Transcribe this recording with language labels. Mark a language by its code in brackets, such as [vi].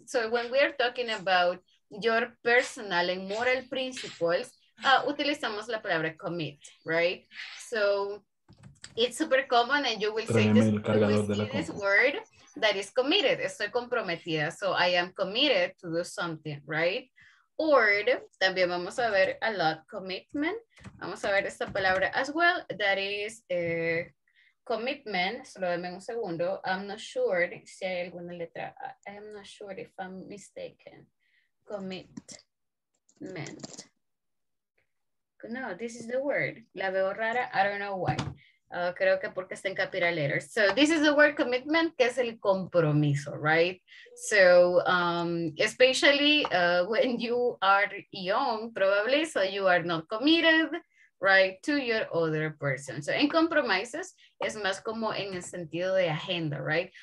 [en] So when we are talking about your personal and moral principles, [es] utilizamos la palabra commit, [en] right? So it's super common, and you will say this word that is committed, [es] estoy comprometida, [en] so I am committed to do something, right? [es] Or, también vamos a ver [en] a lot, [es] commitment. Vamos a ver esta palabra [en] as well, that is [es] commitment. Solo denme un segundo. [en] I'm not sure [es] si hay alguna letra. [en] I'm not sure if I'm mistaken. Commitment. No, this is the word. [es] La veo rara, [en] I don't know why. [es] Creo que porque está en [en] capital letters. So this is the word commitment, [es] que es el compromiso, [en] right? So especially when you are young, probably, so you are not committed, right, to your other person. So in compromises, [es] es más como en el sentido de agenda, right?